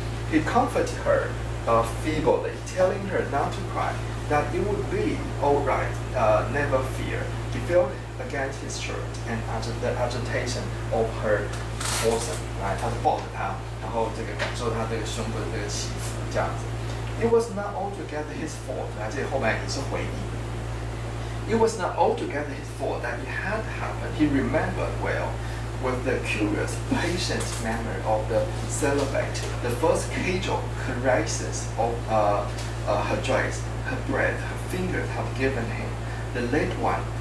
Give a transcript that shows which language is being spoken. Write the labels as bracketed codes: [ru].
[en] He comforted her, feebly, telling her not to cry, that it would be all right, never fear. He felt against his shirt and the agitation of her bosom. [zh] Right, 他就抱着她，然后这个感受她这个胸部的这个起伏，这样子。 [en] It was not altogether his fault. [zh] 这后面也是回忆。 [en] It was not altogether his fault that it had happened. He remembered well, with the curious, patient manner of the celibate, the first casual caresses of her dress, her breath, her fingers had given him.